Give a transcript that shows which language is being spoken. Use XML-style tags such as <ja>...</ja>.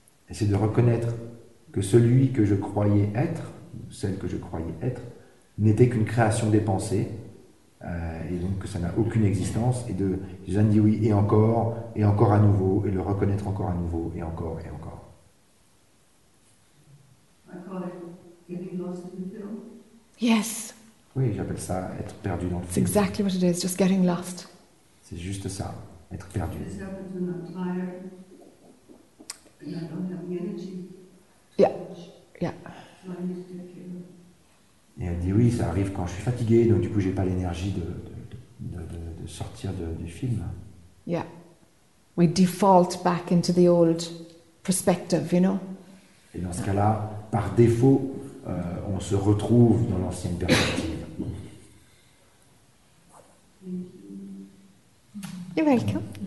<fr>Et c'est de reconnaître que celui que je croyais être, celle que je croyais être, n'était qu'une création des pensées, et donc que ça n'a aucune existence. Et de Jeanne dit oui, et encore à nouveau, et le reconnaître encore à nouveau, et encore.</fr> <en>Yes.</en> <fr>Oui, j'appelle ça être perdu dans le film.</fr> <en>It's exactly what it is, just getting lost.</en> <fr>C'est juste ça, être perdu.</fr> <en>This happens when I'm tired and I don't have the energy. Yeah. Yeah. So I need to take care.</en> <fr>Et elle dit oui, ça arrive quand je suis fatigué, donc du coup j'ai pas l'énergie de sortir du film.</fr> <en>Yeah. We default back into the old perspective, you know.</en> <fr>Et dans ce cas-là, par défaut, on se retrouve dans l'ancienne perspective.</fr> <en>You're welcome.</en>